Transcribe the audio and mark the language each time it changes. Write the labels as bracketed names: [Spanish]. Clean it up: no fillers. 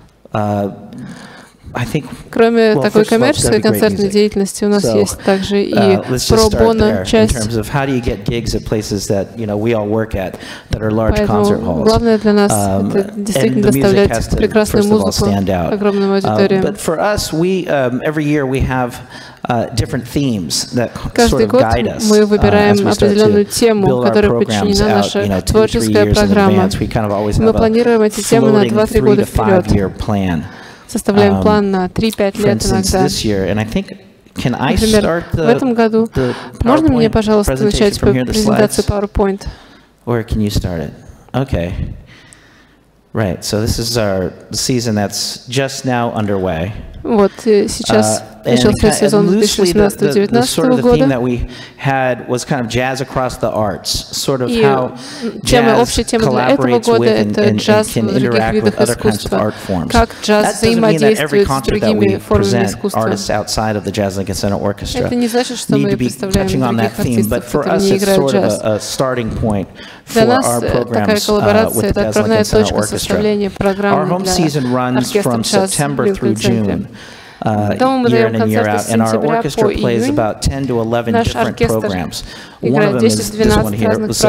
[Russian] Кроме такой коммерческой концертной деятельности, у нас есть также и про-боно часть. Главное для нас это действительно доставлять прекрасную музыку огромным аудиториям. [English] But for us, we every year we have different themes that [Russian] Каждый год мы выбираем определенную тему, которая подчинена наша творческая программа. Мы планируем эти темы на 2-3 года вперед. Составляем план на 3-5 лет иногда. Например, в этом году можно мне, пожалуйста, начать презентацию PowerPoint? [English] Or can you start it? Okay. Right. So this is our season that's just now underway. [Russian] Вот сейчас начался сезон 2018-2019 года. [English] The theme that we had was kind of jazz across the arts, sort of how [Russian] тема, общая тема для этого года это джаз в других видах искусства. Как джаз взаимодействует с другими формами искусства. [English] Artists outside of the Jazz Lincoln Center Orchestra. [Russian] Это не значит, что мы представляем других артистов, которые не играют джаз. [English] But for us, it's sort of a starting point for our programs with the Jazz Lincoln Center Orchestra. Our home season runs from September through June. Year in and year out, and our orchestra plays about 10 to 11 different programs. One of them is this one here, it was a